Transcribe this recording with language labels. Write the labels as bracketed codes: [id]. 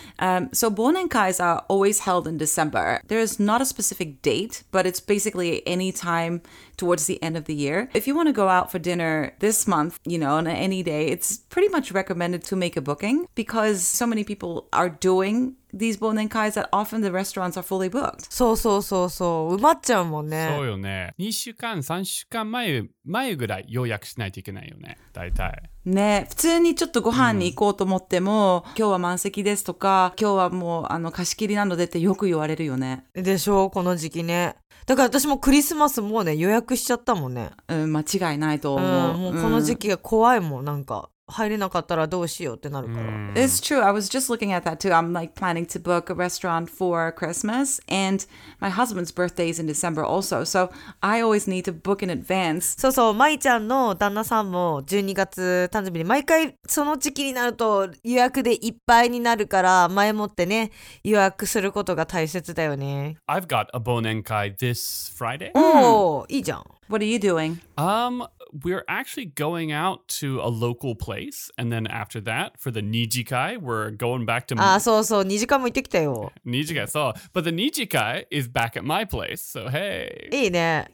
[en] So bonenkais are always held in December. There is not a specific date, but it's basically any time towards the end of the year. If you want to go out for dinner this month, you know, on any day, it's pretty much recommended to make a booking because so many people are doing these 忘年会 that often the restaurants are fully booked. [ja] そうそうそうそう、埋まっちゃうもんね。そうよね。 2週間、3週間前ぐらい予約しないといけないよね、大体。ね、普通にちょっとご飯に行こうと思っても、うん、今日は満席ですとか、今日はもうあの貸し切りなのでってよく言われるよね。でしょう、この時期ね。だから私もクリスマスもうね、予約しちゃったもんね。うん、間違いないと思う。うん、もうこの時期が怖いもん、なんか。入れなかったらどうしようってなるから。 Mm. [en] It's true. I was just looking at that too. I'm like planning to book a restaurant for Christmas and my husband's birthday is in December also. So I always need to book in advance. [ja] そうそう、まいちゃんの旦那さんも12月誕生日に毎回その時期になると予約でいっぱいになるから前もってね予約することが大切だよね。 [en] I've got a 忘年会 this Friday. [ja] Oh, いいじゃん。 [en] What are you doing? We're actually going out to a local place, and then after that, for the Nijikai, we're going back to [ja] my... Ah, so, so, Nijikai も行ってきたよ。 [en] Nijikai, so. But the Nijikai is back at my place, so hey. [ja] いいね。